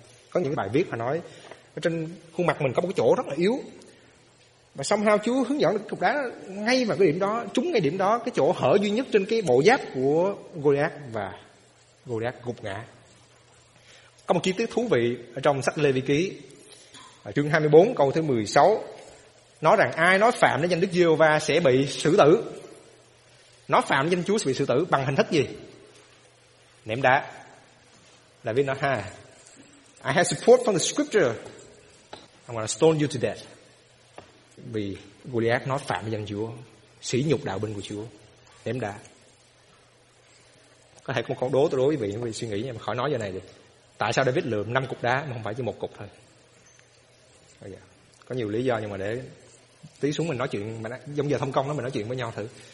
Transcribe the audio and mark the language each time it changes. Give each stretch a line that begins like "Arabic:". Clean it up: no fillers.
Vietnamese: Có những bài viết mà nói ở trên khuôn mặt mình có một chỗ rất là yếu, và somehow Chúa hướng dẫn cục đá ngay vào cái điểm đó, trúng ngay điểm đó, cái chỗ hở duy nhất trên cái bộ giáp của Goliath, và Goliath gục ngã. Có một chi tiết thú vị ở trong sách Lê Vi Ký chương 24 câu thứ 16 nói rằng ai nói phạm đến danh Đức Giê-hô-va sẽ bị xử tử. Nói phạm đến danh Chúa sẽ bị xử tử bằng hình thức gì? Ném đá.
English: David
Vietnamese: nói ha,
English: I have support from the scripture, I'm going to stone you to death.
Vietnamese: Vì Goliath nói phạm với dân Chúa, sỉ nhục đạo binh của Chúa, ném đá. Có thể có một câu đố tôi đối với vị suy nghĩ, nhưng mà khỏi nói giờ này đi. Tại sao David lượm 5 cục đá mà không phải chỉ một cục thôi? Có nhiều lý do, nhưng mà để tí xuống mình nói chuyện, giống giờ thông công đó mình nói chuyện với nhau thử.